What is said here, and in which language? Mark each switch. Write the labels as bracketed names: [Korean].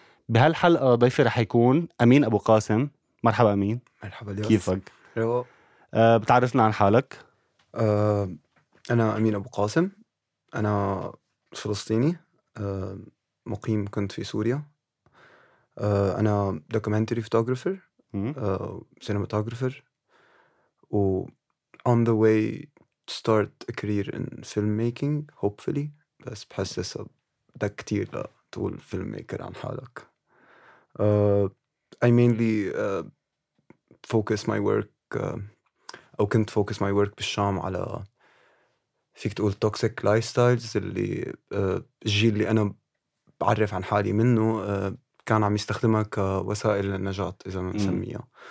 [Arabic] بهالحلقة ضيفي رح يكون أمين أبو قاسم. مرحبا أمين. مرحبا ليوس. كيفك؟ بتعرفنا عن حالك؟ أنا أمين أبو قاسم، أنا فلسطيني مقيم كنت في سوريا. [English] أنا documentary photographer, cinematographer, و on the way to start a career in filmmaking hopefully. [Arabic] بس بحس لسه ده كتير لتقول filmmaker عن حالك. [English] I mainly focus my work [Arabic] أو كنت [English] focus my work [Arabic] بالشام على فيك تقول [English] toxic lifestyles [Arabic] اللي الجيل اللي أنا بعرف عن حالي منه كان عم يستخدمها كوسائل للنجاة إذا ما نسميها.